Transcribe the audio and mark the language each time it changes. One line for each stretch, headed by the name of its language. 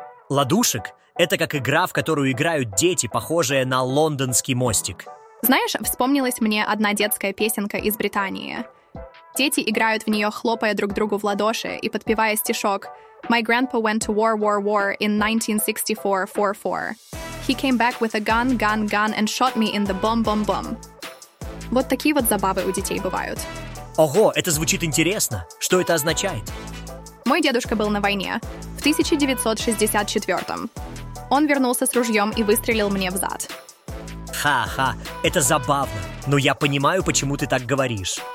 Russian: Ладушек — это как игра, в которую играют дети, похожая на лондонский мостик. Знаешь, вспомнилась мне одна детская песенка из Британии. Дети играют в нее, хлопая друг другу в ладоши и подпевая стишок
English: «My grandpa went to war in 1964-4-4. He came back with a gun and shot me in the bum-bum-bum».
Russian: Вот такие вот забавы у детей бывают. Ого, это звучит интересно. Что это означает? Мой дедушка был на войне в 1964-м. Он вернулся с ружьем и выстрелил мне в зад. Ха-ха, это забавно, но я понимаю, почему ты так говоришь.